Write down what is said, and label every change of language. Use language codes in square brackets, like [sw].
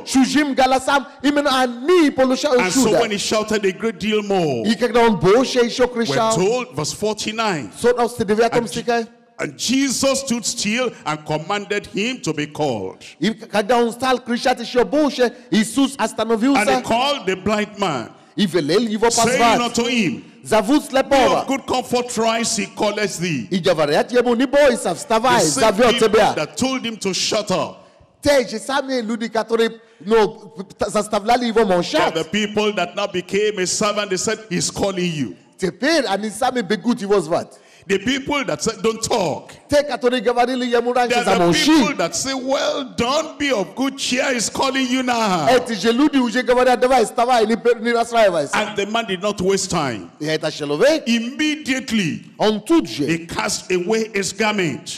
[en] And so when he shouted a great deal more, we're told, verse 49, and Jesus stood still and commanded him to be called. And he called the blind man, saying unto him, [ru] Zavut slepova. [en] Of good comfort rise, he calleth thee. [ru] И говорят ему, не бойся, вставай, зовет тебя. [en] That told him to shut up. [ru] Те же самые люди, которые заставляли его молчать. [en] The people that now became a servant, they said, he's calling you. [ru] Теперь они сами бегут его звать. [en] The people that say, don't talk. There are the people that say, well, don't be of good cheer, he's calling you now. And the man did not waste time. Immediately, he cast away his garment.